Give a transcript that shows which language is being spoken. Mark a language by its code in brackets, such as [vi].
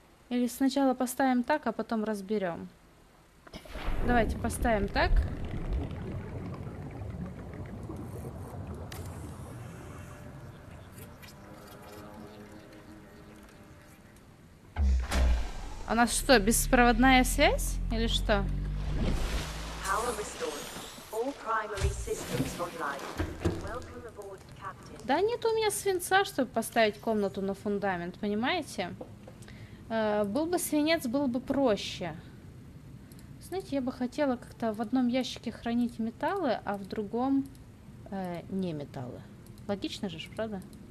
[ru] Или сначала поставим так, а потом разберем. Давайте поставим так. У нас что, беспроводная связь? Или что? [en] Power restored. All primary systems online. Welcome aboard, Captain. [ru] Да нет у меня свинца, чтобы поставить комнату на фундамент, понимаете? Был бы свинец, было бы проще. Знаете, я бы хотела как-то в одном ящике хранить металлы, а в другом не металлы. Логично же, правда?